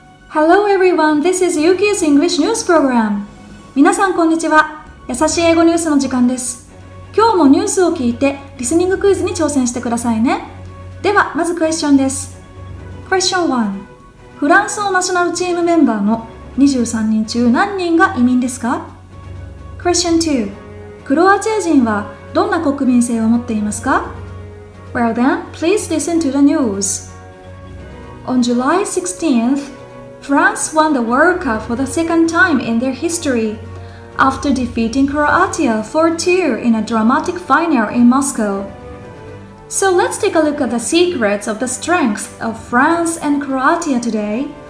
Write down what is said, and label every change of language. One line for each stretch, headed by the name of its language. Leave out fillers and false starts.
English: Hello everyone, this is Yuki's English News Program.
Japanese: 皆さんこんにちは。やさしい英語ニュースの時間です。今日もニュースを聞いてリスニングクイズに挑戦してくださいね。ではまずクエスチョンです。クエスチョン1。フランスのナショナルチームメンバーの23人中何人が移民ですか？クエスチョン2。クロアチア人はどんな国民性を持っていますか？
English: Well then, please listen to the news. On July 16th,France won the World Cup for the second time in their history, after defeating Croatia 4-2 in a dramatic final in Moscow. So let's take a look at the secrets of the strengths of France and Croatia today.